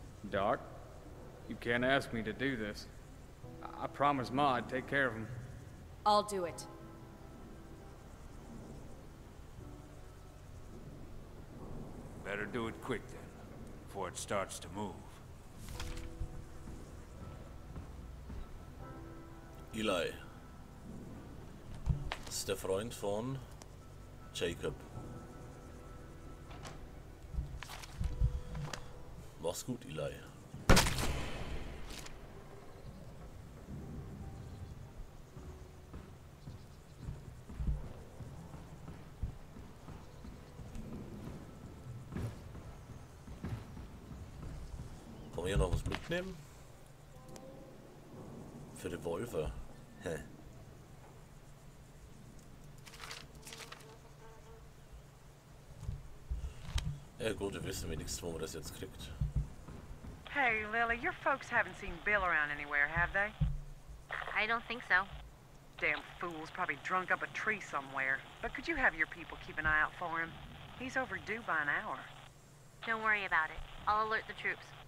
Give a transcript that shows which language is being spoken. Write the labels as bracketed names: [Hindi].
[English] Doc, you can't ask me to do this. I promised Ma I'd take care of him. I'll do it. Better do it quick then, before it starts to move. [German] Eli, das ist der Freund von Jacob. Mach's gut, Eli. Wollen wir hier noch was mitnehmen? Für die Wölfe. Ja gut, wir wissen wenigstens, wo man das jetzt kriegt. [English] Hey, Lily, your folks haven't seen Bill around anywhere, have they? I don't think so. Damn fools, probably drunk up a tree somewhere. But could you have your people keep an eye out for him? He's overdue by an hour. Don't worry about it. I'll alert the troops.